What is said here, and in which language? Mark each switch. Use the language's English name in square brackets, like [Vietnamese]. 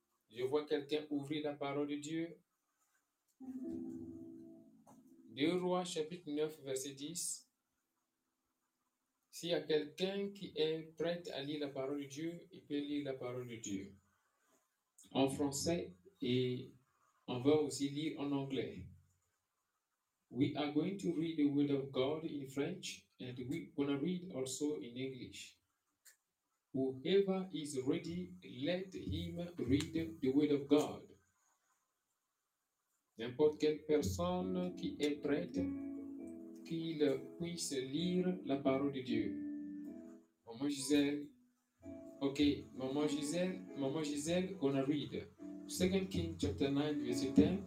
[French] Je vois quelqu'un ouvrir la parole de Dieu. 2 Rois, chapitre 9, verset 10. S'il y a quelqu'un qui est prêt à lire la parole de Dieu, il peut lire la parole de Dieu en français et on va aussi lire en anglais. [English] We are going to read the word of God in French and we're going to read also in English. Whoever is ready, let him read the word of God. [French] N'importe quelle personne qui est prête, qu'il puisse lire la parole de Dieu. [English] Maman Gisèle, ok, Maman Gisèle, gonna read. 2 Kings chapter 9, verset 10.